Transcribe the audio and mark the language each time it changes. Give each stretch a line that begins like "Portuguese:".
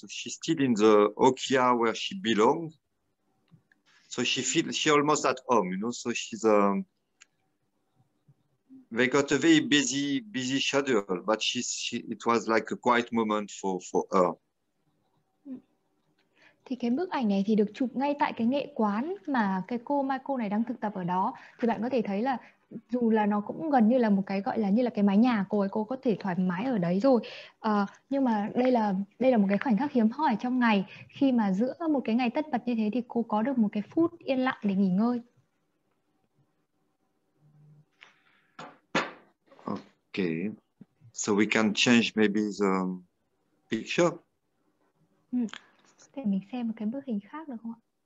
English: So she's still in the Okia where she belongs. So she feels she almost at home, you know. So she's they got a very busy schedule, but it was like a quiet moment for her.
Vietnamese: Thì cái bức ảnh này thì được chụp ngay tại cái nghệ quán mà cái cô Maiko này đang thực tập ở đó. Thì bạn có thể thấy là dù là nó cũng gần như là một cái gọi là như là cái mái nhà cô ấy, cô có thể thoải mái ở đấy rồi. Nhưng mà đây là một cái khoảnh khắc hiếm hoi trong ngày, khi mà giữa một cái ngày tất bật như thế thì cô có được một cái phút yên lặng để nghỉ ngơi.
English: Okay, so we can change maybe the picture.
Vietnamese: Để mình xem một cái bức hình khác được không ạ?